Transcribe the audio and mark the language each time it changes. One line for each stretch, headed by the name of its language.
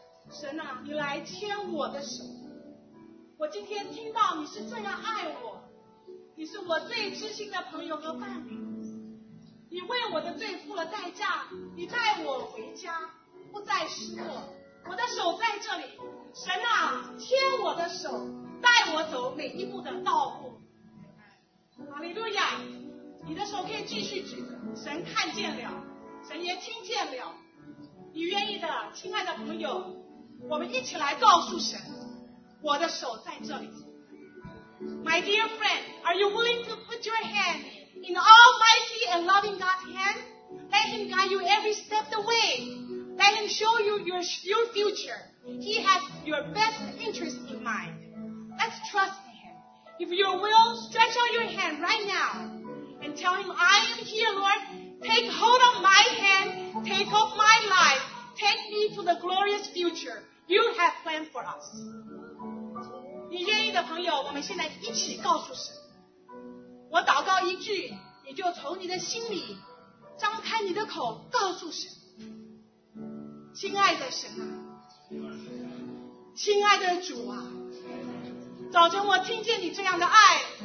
Chinese: 神啊，你来牵我的手，我今天听到你是这样爱我，你是我最知心的朋友和伴侣，你为我的罪付了代价，你带我回家，不再失落，我的手在这里，神啊，牵我的手，带我走每一步的道路。哈利路亚，你的手可以继续举着，神看见了，神也听见了，你愿意的，亲爱的朋友，我们一起来告诉神，我的手在这里。
English: My dear friend, are you willing to put your hand in almighty and loving God's hand? Let him guide you every step of the way. Let him show you your future. He has your best interest in mind. Let's trust him. If you will, stretch out your hand right now and tell him, I am here, Lord. Take hold of my hand. Take hold of my life. Take me to the glorious future you have planned for us.
Chinese: 你愿意的朋友，我们现在一起告诉神，我祷告一句，你就从你的心里张开你的口告诉神，亲爱的神啊，亲爱的主啊，早晨我听见你这样的爱，